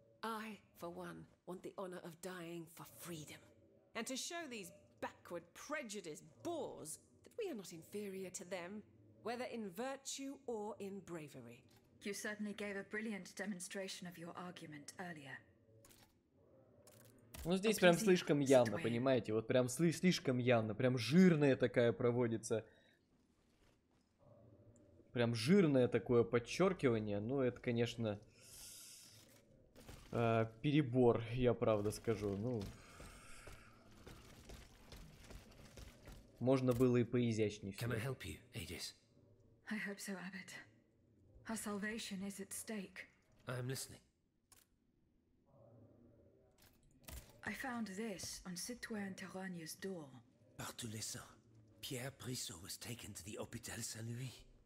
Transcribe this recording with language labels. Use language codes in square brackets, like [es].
[en] I, for one, want the honor of dying for freedom, and to show these backward, prejudiced boors that we are not inferior to them, whether in virtue or in bravery. You certainly gave a brilliant demonstration of your argument earlier. [ru] Ну, здесь прям слишком явно, понимаете? Вот прям слишком явно. Прям жирная такая проводится. Прям жирное такое подчеркивание. Ну, это, конечно, перебор, я правда скажу. Ну, можно было и поизящнее. [en] Can I help you, Aedis? I hope so, Abbott. Our salvation is at stake. I am listening. I found this on Citoyen Terragne's door. [fr] Par tous les saints, [en] Pierre Brissot was taken to the Hôpital Saint-Louis.